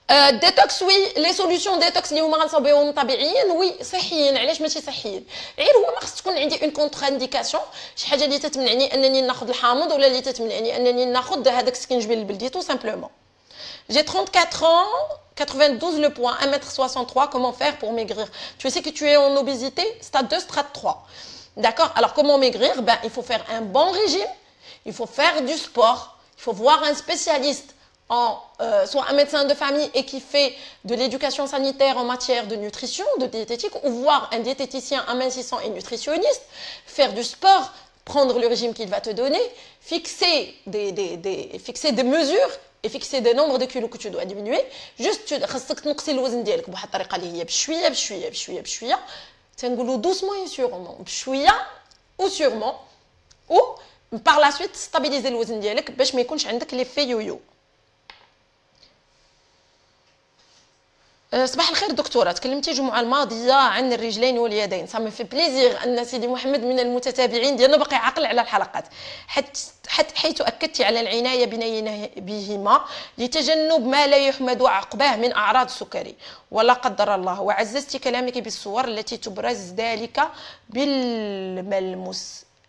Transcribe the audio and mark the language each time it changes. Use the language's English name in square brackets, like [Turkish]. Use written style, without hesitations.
[Arabic] ديتوكس وي، لي سوليوشن ديتوكس اللي هما غنصاوبيهم طبيعيين وي صحيين، علاش ماشي صحيين؟ غير هو ما خص تكون عندي اون كونتر انديكاسيون، شي حاجه اللي تتمنعني انني ناخذ الحامض ولا اللي تتمنعني انني ناخذ هذاك السكنجبيل البلدي تو سامبلومون. [French] J'ai 34 ans, 92 le poids, 1m63, comment faire pour maigrir? Tu sais que tu es en obésité, stade 2, stade 3. D'accord? Alors comment maigrir? Ben, il faut faire un bon régime, il faut faire du sport, il faut voir un spécialiste, soit un médecin de famille et qui fait de l'éducation sanitaire en matière de nutrition, de diététique, ou voir un diététicien, un amincissant et nutritionniste, faire du sport, prendre le régime qu'il va te donner, fixer des mesures, et fixer des nombres de kilos que tu dois diminuer, juste tu dois augmenter le poids de ton corps par une manière qui est petit à petit, petit à petit, petit à petit, tu dis doucement et sûrement, petit à petit ou sûrement, ou par la suite stabiliser le poids de ton corps pour que tu n'aies pas l'effet yo-yo. [Arabic] صباح الخير دكتوره، تكلمتي الجمعه الماضيه عن الرجلين واليدين، صافي في بليزير ان سيدي محمد من المتتابعين ديالنا باقي عاقل على الحلقات، حتى حيت اكدتي على العنايه بهما لتجنب ما لا يحمد عقباه من اعراض السكري ولا قدر الله، وعززتي كلامك بالصور التي تبرز ذلك بالملموس